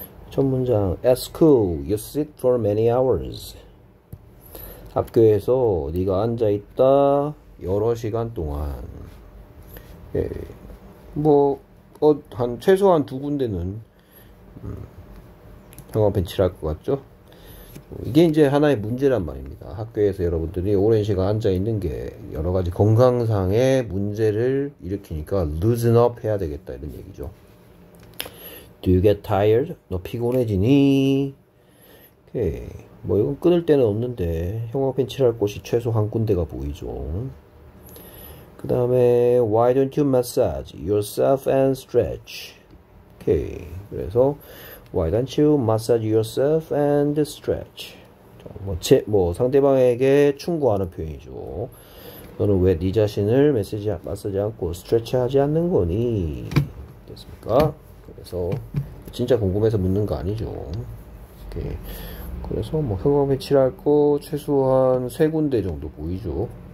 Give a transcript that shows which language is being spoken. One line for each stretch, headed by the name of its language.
Korean: 첫 문장,
English: At school, you sit for many hours.
Korean: 학교에서 네가 앉아 있다 여러 시간 동안. 오케이. 뭐, 한 최소한 두 군데는 형광펜 칠할 것 같죠? 이게 이제 하나의 문제란 말입니다. 학교에서 여러분들이 오랜 시간 앉아 있는 게 여러 가지 건강상의 문제를 일으키니까
English: loosen up
Korean: 해야 되겠다 이런 얘기죠.
English: Do you get tired?
Korean: 너 피곤해지니?
English: 오케이.
Korean: 뭐 이건 끊을 데는 없는데 형광펜 칠할 곳이 최소 한 군데가 보이죠. 그 다음에
English: Why don't you massage yourself and stretch? 오케이.
Korean: 그래서
English: Why don't you massage yourself and stretch?
Korean: 뭐 상대방에게 충고하는 표현이죠. 너는 왜네 자신을 마사지 않고 스트레치하지 않는 거니? 됐습니까? 그래서 진짜 궁금해서 묻는 거 아니죠. 오케이. 그래서 뭐 형광펜 칠할 거 최소한 세 군데 정도 보이죠.